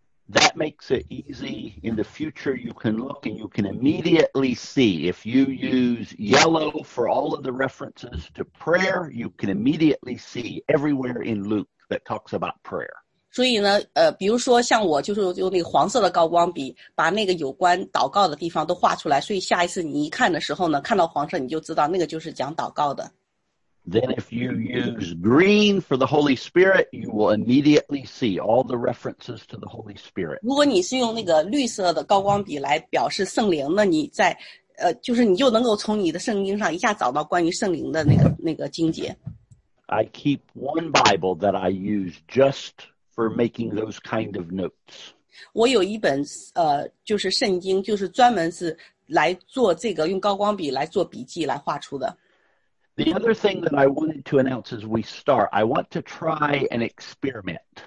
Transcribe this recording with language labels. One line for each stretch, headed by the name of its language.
English: That makes it easy. In the future, you can look and you can immediately see. If you use yellow for all of the references to prayer, you can immediately see everywhere in Luke that talks about prayer.
Chinese: 所以呢，比如说像我就是用那个黄色的高光笔，把那个有关祷告的地方都画出来。所以下一次你一看的时候呢，看到黄色，你就知道那个就是讲祷告的。
English: Then if you use green for the Holy Spirit, you will immediately see all the references to the Holy Spirit.
Chinese: 如果你是用那个绿色的高光笔来表示圣灵，那你在就是你就能够从你的圣经上一下找到关于圣灵的那个经节。
English: I keep one Bible that I use just for making those kind of notes.
Chinese: 我有一本就是圣经，就是专门是来做这个用高光笔来做笔记来画出的。
English: The other thing that I wanted to announce as we start, I want to try an experiment.